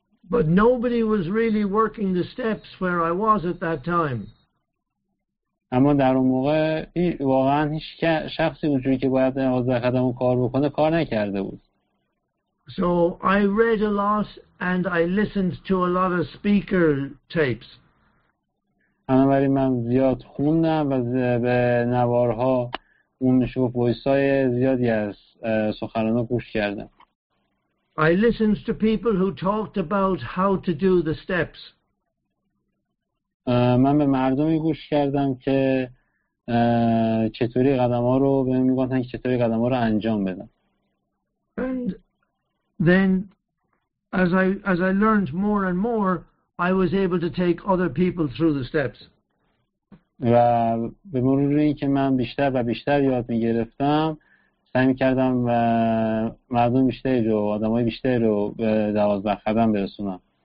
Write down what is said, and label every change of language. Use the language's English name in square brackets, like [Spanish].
[English] But nobody was really working the steps where I was at that time. [Persian] اما در اون موقع واقعا هیچ شخصی اونجوری که باید از قدم کار بکنه کار نکرده بود. [English] So I read a lot and I listened to a lot of speaker tapes. [Persian] بنابراین من زیاد خوندم و به نوارها اون میشه گفت ویسای زیادی از سخنان رو گوش کردم. [English] I listened to people who talked about how to do the steps. [Persian] من به مردمی گوش کردم که چطوری قدم ها رو به من میگوندن که چطوری قدم ها رو انجام بدن. [English] And then as I learned more and more I was able to take other people through the steps. [Persian] و به مرور این که من بیشتر و بیشتر یاد می گرفتم سعی می کردم و مردم بیشتری رو آدم های بیشتری رو به دوازده قدم برسونم.